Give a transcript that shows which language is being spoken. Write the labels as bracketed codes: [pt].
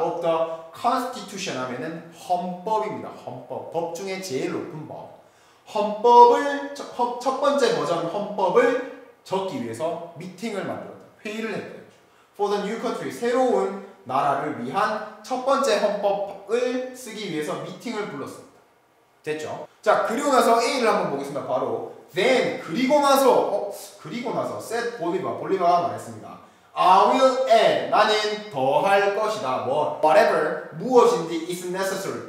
[en] Of the constitution [ko] 하면은 헌법입니다. 헌법. 법 중에 제일 높은 법. 헌법을, 첫 번째 버전 헌법을 적기 위해서 미팅을 만들었다. 회의를 했대요. [en] For the new country. [ko] 새로운 나라를 위한 첫 번째 헌법을 쓰기 위해서 미팅을 불렀습니다. 됐죠? 자, 그리고 나서 A를 한번 보겠습니다. 바로 Then, 그리고 나서 [en] Said Bolivar. [ko] 볼리바가 말했습니다. [en] I will add. [ko] 나는 더할 것이다. [en] 뭐 whatever, [ko] 무엇인지 [en] is necessary.